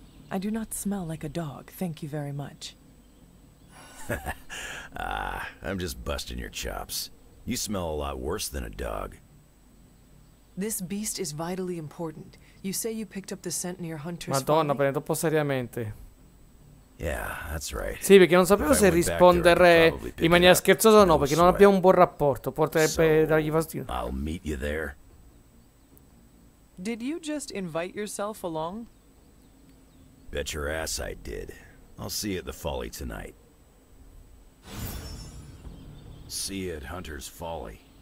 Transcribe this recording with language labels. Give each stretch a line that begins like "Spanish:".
English: I do not smell like a dog, thank you very much. Ah, I'm just busting your chops. You smell a lot worse than a dog. This beast is vitally important. You say you picked up the scent near Hunter's Folly?
Italian: Madonna, prendo troppo seriamente.
English: Yeah, that's right.
Italian: Sì, perché non sapevo se rispondere in maniera scherzosa o no, perché non abbiamo un buon rapporto. Potrebbe dargli fastidio.
English: I'll meet you there. Did you just invite yourself along? Bet your ass I did. I'll see you at the Folly tonight. See you at Hunter's Folly.